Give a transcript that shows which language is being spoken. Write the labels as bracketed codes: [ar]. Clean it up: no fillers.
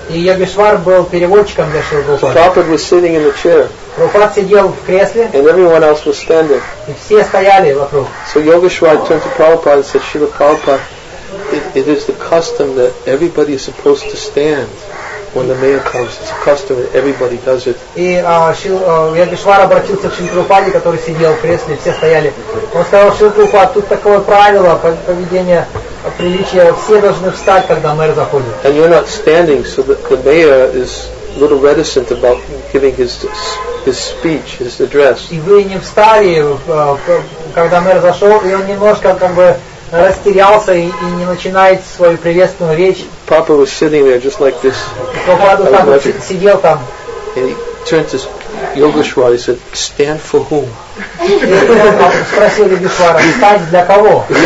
[ru] И Йогешвар был переводчиком для Шрилы Прабхупады. [en] So Prabhupada was sitting in the chair. [ru] Прабхупад сидел в кресле. [en] And everyone else was standing. [ru] И все стояли вокруг. [en] So Yogeshwar turned to Prabhupada and said, Srila Prabhupada, it is the custom that everybody is supposed to stand when the mayor comes. It's a custom that everybody does it. [ru] И Йогешвар обратился к Шриле Прабхупаде, который сидел в кресле, все стояли. Он сказал, Шрила Прабхупада, тут такое правило поведения, приличия, все должны встать, когда мэр заходит. [en] And you're not standing, so the mayor is a little reticent about giving his speech, his address. [ru] И вы не встали, когда мэр зашел, и он немножко как бы растерялся и не начинает свою приветственную речь. [en] Papa was sitting there just like this. [ru] Папа там сидел там. [en] And he turned to Yogeshwar, he said, "Stand for whom?" [ru] Спросил Йогешвара, "Встать для кого?"